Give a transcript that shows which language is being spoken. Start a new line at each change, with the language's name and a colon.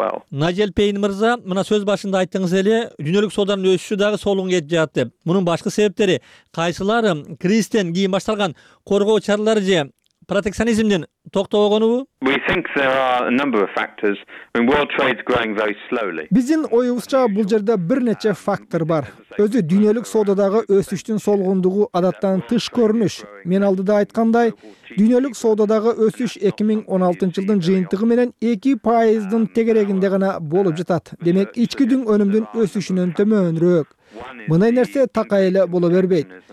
Kyrgyz: Нажел Пейн мырза, мына сөз башында айттыңыз эле, дүйнөлүк сооданын өсүшү дагы солун кетип жатат деп. Мунун башкы себептери кайсылар? Кризистен кийин башталган коргоо чаралары же протекционизмден токтогонубу?
English: We think there are a number of factors. World trade is growing very slowly.
Kyrgyz: Биздин оюбузча бул жерде бир нече фактор бар. Өзү дүйнөлүк соодадагы өсүштүн солгундугу адаттан тыш көрүнүш. Мен алдыда айткандай, дүйнөлүк соодадагы өсүш 2016 жылдын жыйынтыгы менен 2%дын тегерегинде гана болуп жатат. Демек, ички дүң өнүмдүн өсүшүнөн төмөнүрөөк. Мындай нерсе такай эле боло бербейт.